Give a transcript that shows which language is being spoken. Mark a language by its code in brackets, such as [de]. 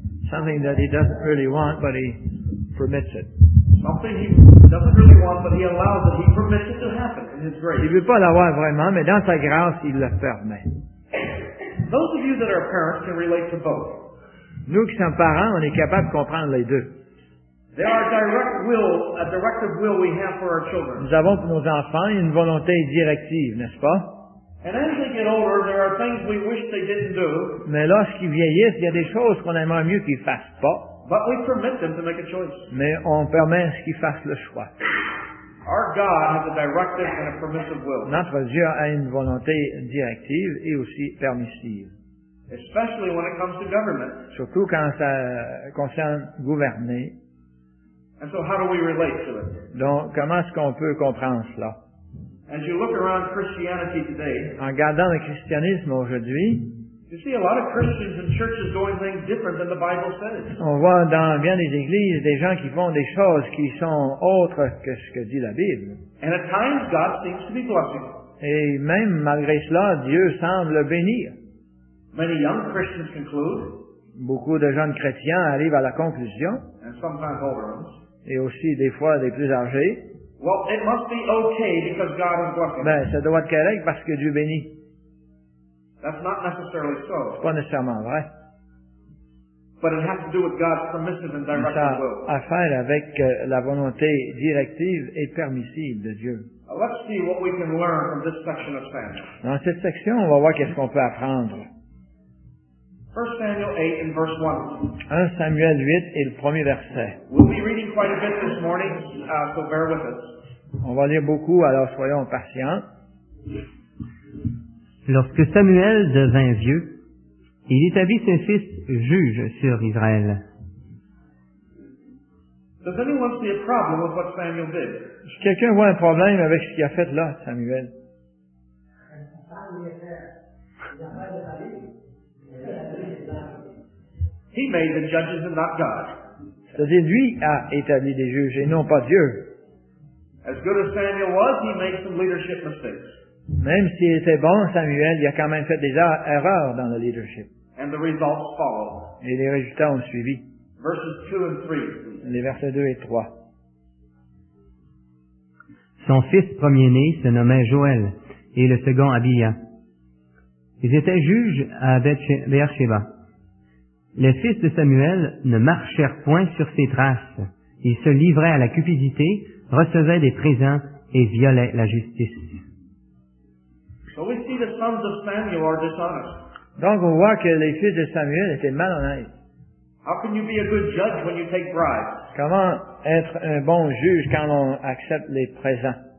[en] Something that he doesn't really want, but he permits it. Something he doesn't really want, but he allows it. He permits it to happen in his grace. [fr] Il ne veut pas l'avoir vraiment, mais dans sa grâce, il le permet. [en] Those of you that are parents can relate to both. [fr] Nous qui sommes parents, on est capable de comprendre les deux. [en] There are a directive will we have for our children. [fr] Nous avons pour nos enfants une volonté directive, n'est-ce pas? [en] And as they get older, there are things we wish they didn't do. [fr] Mais lorsqu'ils vieillissent, il y a des choses qu'on aimerait mieux qu'ils fassent pas. [en] But we permit them to make a choice. [fr] Mais on permet qu'ils fassent le choix. [en] Our God has a directive and a permissive will. [fr] Notre Dieu a une volonté directive et aussi permissive. [en] Especially when it comes to government. [fr] Surtout quand ça concerne gouverner. [en] And so how do we relate to it? [fr] Donc, comment est-ce qu'on peut comprendre cela? [en] As you look around Christianity today, [fr] en regardant le christianisme aujourd'hui, [en] you see a lot of Christians and churches doing things different than the Bible says. [fr] On voit dans bien des églises des gens qui font des choses qui sont autres que ce que dit la Bible. [en] And at times God seems to be blessing. [fr] Et même malgré cela, Dieu semble bénir. [en] Many young Christians conclude. [fr] Beaucoup de jeunes chrétiens arrivent à la conclusion. [en] And sometimes older ones. [fr] Et aussi des fois des plus âgés. [en] Well, it must be okay because God is blessing. [fr] Ben, ça doit être correct parce que Dieu bénit. [en] That's not necessarily so. [fr] C'est pas nécessairement vrai. [en] But it has to do with God's permissive and directive will. [fr] Ça a à faire avec la volonté directive et permissive de Dieu. [en] Let's see what we can learn from this section of Samuel. [fr] Dans cette section, on va voir qu'est-ce qu'on peut apprendre. [en] 1 Samuel 8 and verse 1. [fr] 1 Samuel 8 et le premier verset. [en] We'll be reading quite a bit this morning, so bear with us. [fr] On va lire beaucoup, alors soyons patients. Lorsque Samuel devint vieux, il établit ses fils juges sur Israël. [en] Does anyone see a problem with what Samuel did? [fr] Si quelqu'un voit un problème avec ce qu'il a fait là, Samuel? [en] He made the judges and not God. [fr] C'est-à-dire, lui a établi des juges et non pas Dieu. [en] As good as Samuel was, he made some leadership mistakes. [fr] Même s'il était bon, Samuel, il a quand même fait des erreurs dans le leadership. [en] And the results follow. [fr] Et les résultats ont suivi. [en] Verses 2 and 3. [fr] Les versets 2 et 3. Son fils premier-né se nommait Joël, et le second Abia. Ils étaient juges à Beersheba. Les fils de Samuel ne marchèrent point sur ses traces. Ils se livraient à la cupidité, recevaient des présents et violaient la justice. [en] So we see the sons of Samuel are dishonest. [fr] Donc on voit que les fils de Samuel étaient malhonnêtes. [en] How can you be a good judge when you take bribes? [fr] Comment être un bon juge quand on accepte les présents?